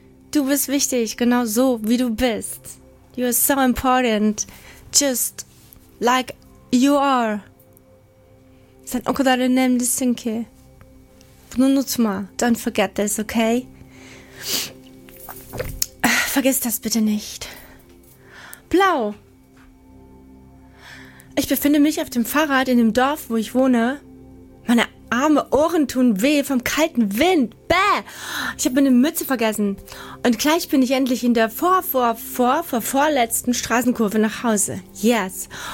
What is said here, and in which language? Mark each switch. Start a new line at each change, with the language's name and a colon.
German: Du bist wichtig, genau so, wie du bist.
English: You are so important, just like you are.
Turkish: Sen o kadar önemlisin ki. Bunu unutma,
English: don't forget this, okay?
German: Vergiss das bitte nicht. Blau. Ich befinde mich auf dem Fahrrad in dem Dorf, wo ich wohne. Meine arme Ohren tun weh vom kalten Wind. Bäh! Ich habe meine Mütze vergessen. Und gleich bin ich endlich in der vorletzten Straßenkurve nach Hause. Yes.